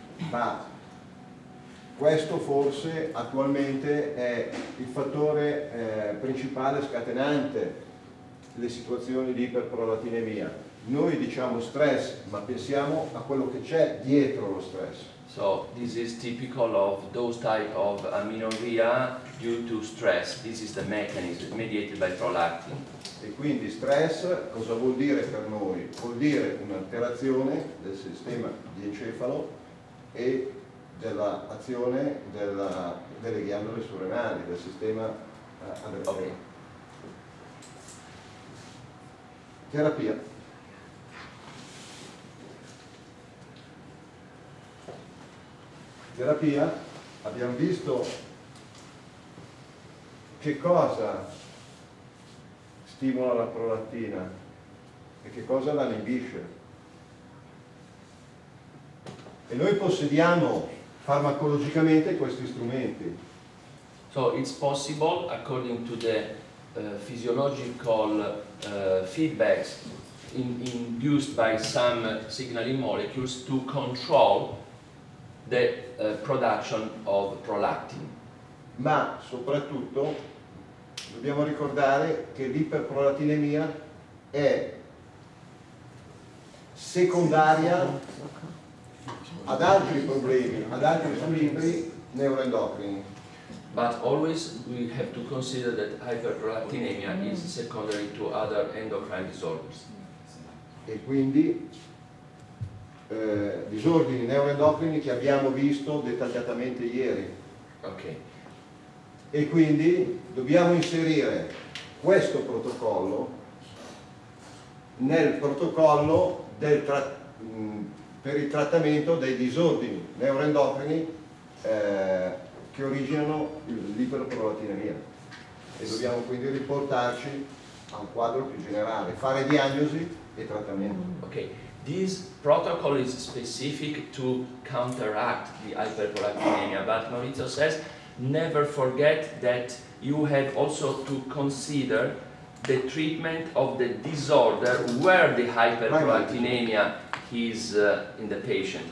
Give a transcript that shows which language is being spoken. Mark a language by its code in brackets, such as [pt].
[it] Ma questo forse attualmente è il fattore principale scatenante le situazioni di iperprolattinemia. Noi diciamo stress, ma pensiamo a quello che c'è dietro lo stress. [en] So this is typical of those type of amenorrhea due to stress. This is the mechanism mediated by prolactin. [it] E quindi stress cosa vuol dire per noi? Vuol dire un'alterazione del sistema di encefalo e dell'azione delle ghiandole surrenali, del sistema adrenale. Okay. Terapia. Terapia, abbiamo visto che cosa stimola la prolattina e che cosa la inibisce. E noi possediamo farmacologicamente questi strumenti. [en] So it's possible, according to the physiological feedbacks induced by some signaling molecules, to control the production of prolactin. [it] Ma soprattutto dobbiamo ricordare che l'iperprolattinemia è secondaria ad altri problemi, ad altri squilibri neuroendocrini. [en] But always we have to consider that hyperprolactinemia is secondary to other endocrine disorders. [it] E quindi disordini neuroendocrini che abbiamo visto dettagliatamente ieri. Ok. E quindi dobbiamo inserire questo protocollo nel protocollo del per il trattamento dei disordini neuroendocrini che originano l'iperprolattinemia. E dobbiamo quindi riportarci a un quadro più generale, fare diagnosi e trattamento. [en] Ok, this protocol is specific to counteract the hyperprolactinemia, but Maurizio says never forget that you have also to consider the treatment of the disorder where the hyperprolactinemia is in the patient.